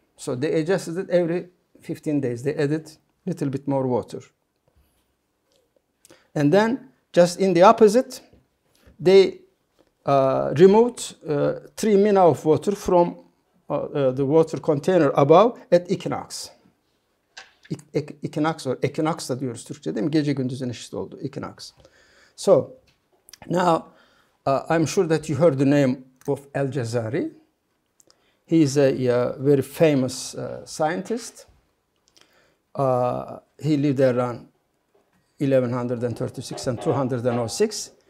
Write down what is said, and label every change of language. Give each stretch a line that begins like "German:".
English: So they adjusted it every 15 days. They added a little bit more water. And then, just in the opposite, they removed 3 mina of water from the water container above at equinox.
Turkish: Equinox or equinox da diyoruz Türkçe değil mi? Gece gündüzün eşit oldu, equinox.
English: So, now, I'm sure that you heard the name of Al-Jazari. He is a very famous scientist. He lived around 1136 and 206.